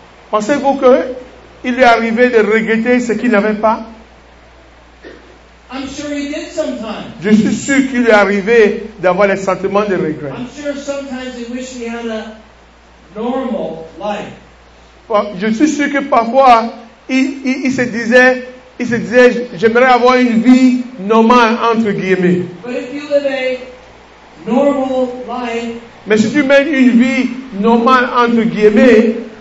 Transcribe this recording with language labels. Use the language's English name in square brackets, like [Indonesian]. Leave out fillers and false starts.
[French] Pensez-vous qu'il lui est arrivé de regretter ce qu'il n'avait pas? [English] I'm sure he did sometimes. [French] Je suis sûr qu'il lui est arrivé d'avoir les sentiments de regret. [English] I'm sure sometimes he wished he had a normal life. [French] Je suis sûr que parfois il se disait, j'aimerais avoir une vie normale, entre guillemets. [English] But if you live a normal life, [French] mais si tu mènes une vie normale, entre guillemets,